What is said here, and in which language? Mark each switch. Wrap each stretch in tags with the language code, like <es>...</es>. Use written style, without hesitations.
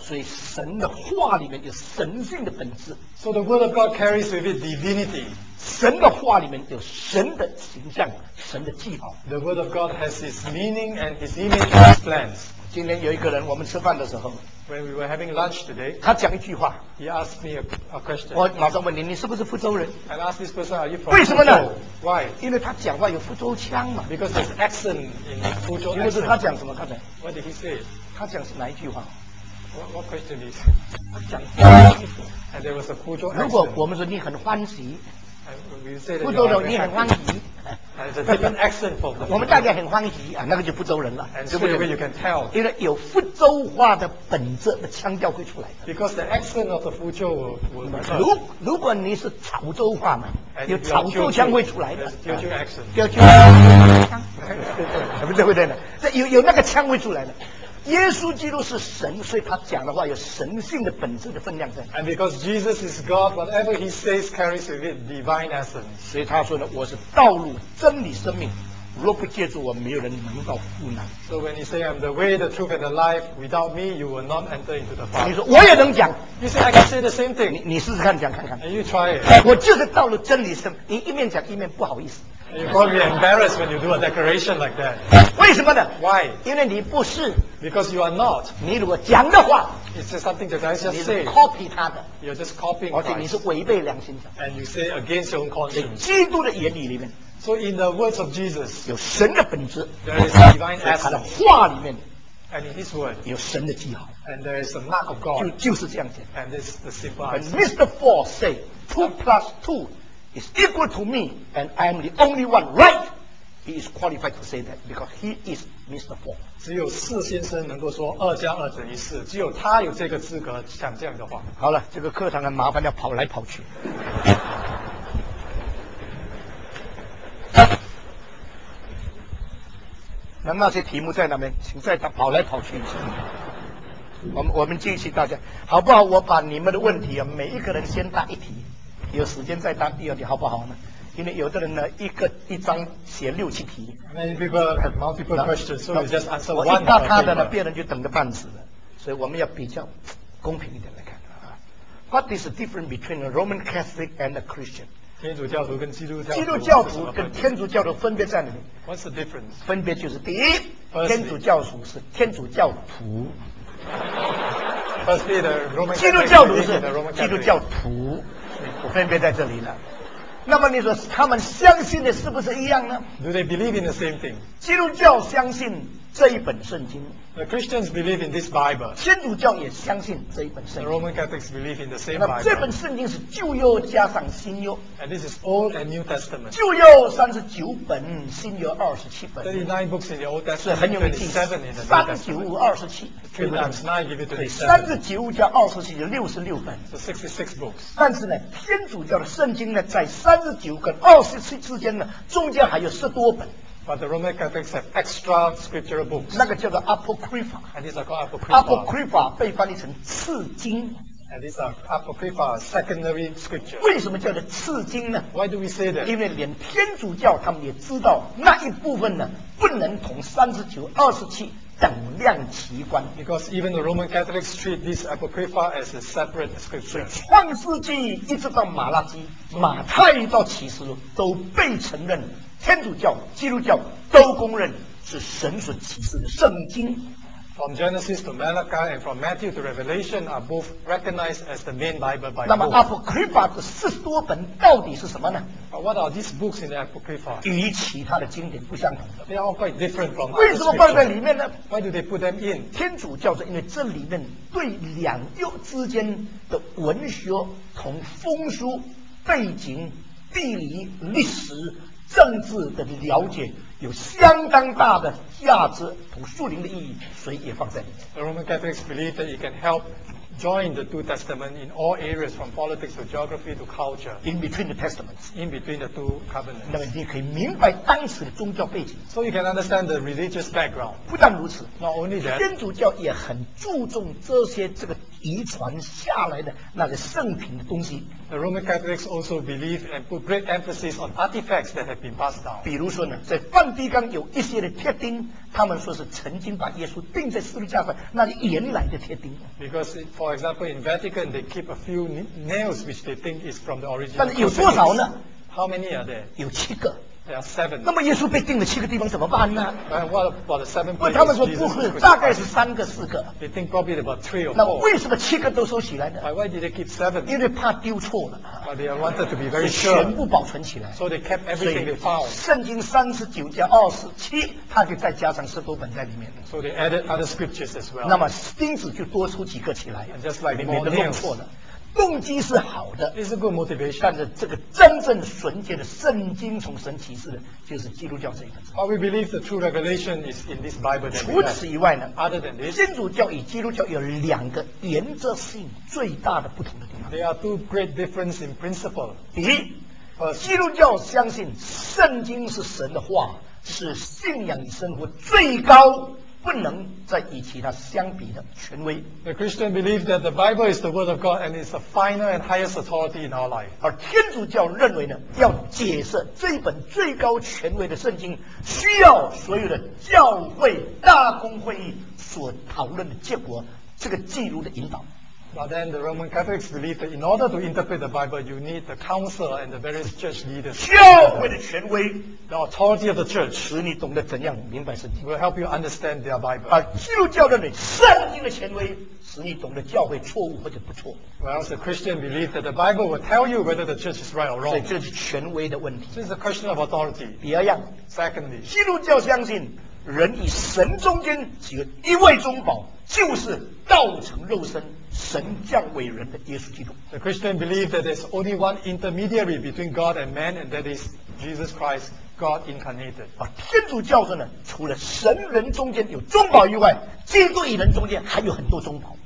<zh>所以神的话里面有神性的本质。</zh> <en>So the word of God carries with it divinity.</en> <zh>神的话里面有神的形象，神的记号。</zh> <en>The word of God has his meaning and his image and his plans.</en> <zh>今天有一个人，我们吃饭的时候。</zh> <en>When we were having lunch today,</en> <zh>他讲一句话。</zh> <en>He asked me a question.</en> <zh>我马上问你，你是不是福州人</zh> <en>？I asked this person, "Are you from?"</en> <zh>为什么呢</zh> <en>？Why?</en> <zh>因为他讲话有福州腔嘛。</zh> <en>Because his accent in 福州。</en> <zh>因为是他讲什么？刚才。</zh> <en>What did he say?</en> <zh>他讲是哪一句话</zh> <en>？What question is?</en> <zh>他讲。</zh> <en>And there was a 福州。</en> <zh>如果我们说你很欢喜。福州人，你很欢喜。</zh> <en>Different accent for the</en> <zh>我们大家很欢喜啊，那个就福州人了，对不对 ？</zh> <en>You can tell，</en> <zh>因为有福州话的本质的腔调会出来的。</zh> <en>Because the accent of the 福州 will</en> <zh>如果你是潮州话嘛，有潮州腔会出来的。</zh> <en>潮州 accent，</en> <zh>潮州腔，对不对？有那个腔会出来的。耶稣基督是神，所以他讲的话有神性的本质的分量在。</zh> <en>And because Jesus is God, whatever he says carries with it divine essence.</en> <zh>所以他说呢，我是道路、真理、生命，若不借助我，没有人能到父那。</zh> <en>So when you say I'm the way, the truth, and the life, without me, you will not enter into the Father.</en> <zh>你说我也能讲。</zh> <en>You say I can say the same thing.</en> <zh>你试试看，讲看看。</zh> <en>And you try it.</en> <zh>我就是道路、真理、生命。你一面讲一面不好意思。</zh> <en>You probably embarrassed when you do a declaration like that.</en> <zh>为什么呢</zh> <en>？Why?</en> <zh>因为你不是。</zh> <en>Because you are not.</en> <zh>你如果讲的话</zh> <en>，It's just something that I just say.</en> <zh>你 copy 他的。</zh> <en>You're just copying.</en> <zh>而且你是违背良心的。</zh> <en>And you say against your own conscience.</en> <zh>在基督的言语里面。</zh> <en>So in the words of Jesus.</en> <zh>有神的本质。</zh> <en>There is divine essence.</en> <zh>在他的话里面。</zh> <en>And in His word.</en> <zh>有神的记号。</zh> <en>And there is a mark of God.</en> <zh>就是这样子。</zh> <en>And this is the simple answer. But Mr. Four say 2 plus 2. Is equal to me, and I am the only one right. he is qualified to say that because he is Mr. Four.</en> <zh>只有四先生能够说二加二等于四，只有他有这个资格讲这样的话。好了，这个课堂很麻烦，要跑来跑去。那那些题目在那边，请再跑来跑去一下。我们继续，大家好不好？我把你们的问题啊，每一个人先答一题，有时间再答第二题，好不好呢？因为有的人呢，一张写六七题。</zh> <en>Many people have multiple questions, so you just answer one.</en> <zh>我一答他的呢，别人就等个半死了。所以我们要比较公平一点来看啊。</zh> <en>What is the difference between a Roman Catholic and a Christian?</en> <zh>天主教徒跟基督教徒。基督教徒跟天主教徒分别在哪里</zh> <en>？What's the difference?</en> <zh>分别就是第一，</zh> <en>Firstly,</en> <zh>天主教徒是天主教徒。</zh> <en>Firstly, the Roman</en> <zh>基督教徒是基督教徒，我分别在这里了。那么你说他们相信的是不是一样呢</zh> <en>？Do they believe in the same thing？</en> <zh>基督教相信这一本圣经。</zh> <en>The Christians believe in this Bible。</en> <zh>天主教也相信这一本圣经。</zh> <en>The Roman Catholics believe in the same Bible。</en> <zh>那这本圣经是旧约加上新约。</zh> <en>And this is Old and New Testament。</en> <zh>旧约39本，新约27本。</zh> <en>39 books in the Old Testament。</en> <zh>是很有名气。</zh> <en>39 27。</en> <zh>39加27就66本。</zh> <en>So 66 books。</en> <zh>但是呢，天主教的圣经呢，在39跟27之间呢，中间还有十多本。</zh> <en>But the Roman Catholics have extra scriptural books.</en> <zh>那个叫做 Apocrypha.</zh> <en>And these are called Apocrypha.</en> <zh>Apocrypha 被翻译成次经。</zh> <en>And these are Apocrypha secondary scriptures.</en> <zh>为什么叫做次经呢</zh> <en>？Why do we say that?</en> <zh>因为连天主教他们也知道那一部分呢不能同39、27等量齐观。</zh> <en>Because even the Roman Catholics treat this Apocrypha as a separate scripture.</en> <zh>创世纪一直到马拉基、马太到启示录都被承认。天主教、基督教都公认是神所启示的圣经。</zh> <en>From Genesis to Malachi and from Matthew to Revelation are both recognized as the main Bible by</en> <zh>God. 那么 Apocrypha 的四十多本到底是什么呢</zh> <en>？But what are these books in the Apocrypha?</en> <zh>与其他的经典不相同的。</zh> <en>They are all quite different from.</en> <zh>为什么放在里面呢</zh> <en>？Why do they put them in?</en> <zh>天主教是因为这里面对两右之间的文学同风俗背景、地理、历史。政治的了解有相当大的价值同树林的意义，所以也放在里面。</zh> <en>The Roman Catholics believe that it can help join the two testaments in all areas from politics to geography to culture. In between the testaments. In between the two covenants.</en> <zh>那么你可以明白当时的宗教背景。</zh> <en>So you can understand the religious background.</en> <zh>不但如此</zh> <en>，Not only that.</en> <zh>天主教也很注重这些这个遗传下来的那个圣品的东西。</zh> <en>The Roman Catholics also believe and put great emphasis on artifacts that have been passed down.</en> <zh>比如说呢，在梵蒂冈有一些的铁钉，他们说是曾经把耶稣钉在十字架上那里原来的铁钉。</zh> <en>Because, for example, in Vatican, they keep a few nails which they think is from the original.</en> <zh>但是有多少呢</zh> <en>？How many are there?</en> <zh>有七个。</zh> <en>There are seven.</en> <zh>那么耶稣被钉了七个地方怎么办呢</zh> <en>？And what about the seven?</en> <zh>不，他们说不会，大概是三个、四个。</zh> <en>They think probably about three or four.</en> <zh>那为什么七个都收起来呢</zh> <en>？Why did they keep seven?</en> <zh>因为怕丢错了。</zh> <en>But they wanted to be very sure.</en> <zh>全部保存起来。</zh> <en>So they kept everything they found.</en> <zh>圣经39加27，他就再加上十多本在里面。</zh> <en>So they added other scriptures as well.</en> <zh>那么钉子就多出几个起来。</zh> <en>And just like more nails.</en> <zh>免得弄错了。动机是好的</zh> <en>It's a good motivation.</en> <zh>但是这个真正纯洁的圣经从神启示的就是基督教这一本</zh> <en>But we believe the true revelation is in this Bible that</en> <zh>除此以外呢</zh> <en>Other than this,</en> <zh>天主教与基督教有两个原则性最大的不同的地方</zh> <en>There are two great differences in principle</en> <zh>第一</zh> <en>First,</en> <zh>基督教相信圣经是神的话是信仰生活最高不能再与其他相比的权威。</zh> <en>The Christian believes that the Bible is the word of God and is the final and highest authority in our life.</en> <zh>而天主教认为呢，要解释这本最高权威的圣经，需要所有的教会大公会议所讨论的结果，这个记录的引导。</zh> <en>But then the Roman Catholics believe that in order to interpret the Bible, you need the council and the various church leaders.</en> <zh>教会的权威</zh> <en>the authority of the church,</en> <zh>使你懂得怎样明白圣经</zh> <en>will help you understand their Bible.</en> <zh>而基督教认为圣经的权威使你懂得教会错误或者不错</zh> <en>Whereas the Christian believe that the Bible will tell you whether the church is right or wrong.</en> <zh>所以这是权威的问题</zh> <en>This is a question of authority.</en> <zh>第二样</zh> <en>Secondly,</en> <zh>基督教相信人与神中间只有一位中保，就是道成肉身。神降为人的耶稣基督。</zh> <en>The Christian believe that there's only one intermediary between God and man, and that is Jesus Christ, God incarnated.</en> <zh>啊，天主教会呢，除了神人中间有中保以外，基督与人中间还有很多中保。</zh>